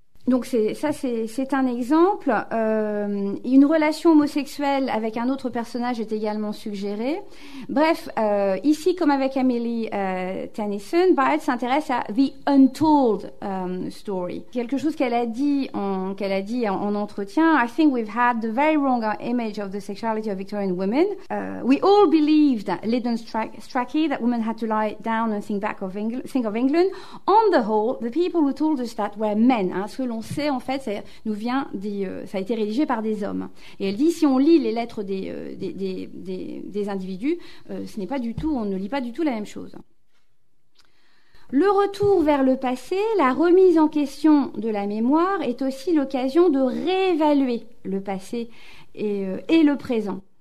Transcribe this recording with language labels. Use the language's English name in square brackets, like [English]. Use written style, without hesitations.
[French] Donc c'est un exemple. Une relation homosexuelle avec un autre personnage est également suggérée. Bref, ici comme avec Amélie Tennyson, Barrett s'intéresse à [English] the untold story, [French] quelque chose qu'elle a dit en entretien. [English] I think we've had the very wrong image of the sexuality of Victorian women. We all believed that Lydon Strachey, that women had to lie down and think of England. On the whole, the people who told us that were men. [French] Hein, selon on sait, en fait, ça a été rédigé par des hommes. Et elle dit, si on lit les lettres des individus, ce n'est pas du tout, on ne lit pas du tout la même chose. Le retour vers le passé, la remise en question de la mémoire est aussi l'occasion de réévaluer le passé et le présent.